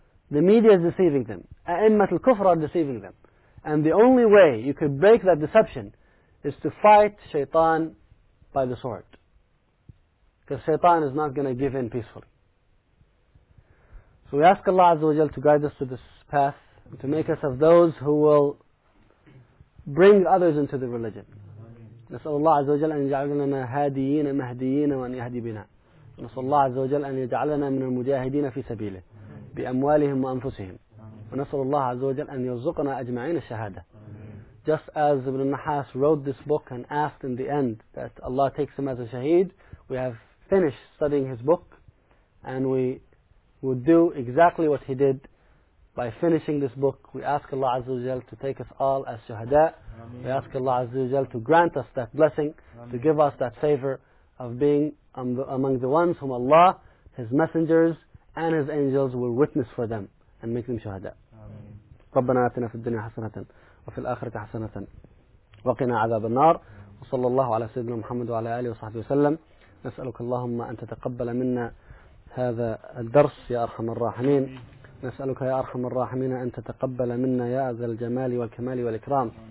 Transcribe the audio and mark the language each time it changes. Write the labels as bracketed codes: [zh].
[en] The media is deceiving them. A'immat al-kufr are deceiving them. And the only way you could break that deception is to fight Shaitan by the sword. Because shaitan is not going to give in peacefully. So we ask Allah Azza wa Jal to guide us to this path, and to make us of those who will bring others into the religion. [ar] نسأل الله عز وجل أن يجعلنا هاديين مهديين وأن يهدي بنا نسأل الله عز وجل أن يجعلنا من المجاهدين في سبيله بأموالهم وأنفسهم ونسأل الله عز وجل أن يرزقنا أجمعين الشهادة. [en] Just as Ibn al-Nahas wrote this book and asked in the end that Allah takes him as a shaheed, we have finished studying his book and we would do exactly what he did. By finishing this book, we ask Allah Azza wa Jal to take us all as shuhada. We ask Allah Azza wa Jal to grant us that blessing, to give us that favor of being among the ones whom Allah, His messengers, and His angels will witness for them and make them shuhada. [ar] ربنا آتنا في الدنيا حسنة وفي الآخرة حسنة وقنا عذاب النار وصلى الله على سيدنا محمد وعلى آله وصحبه وسلم. نسألك اللهم أن تتقبل منا هذا الدرس يا أرحم الراحمين. نسألك يا أرحم الراحمين أن تتقبل منا يا ذا الجمال والكمال والإكرام.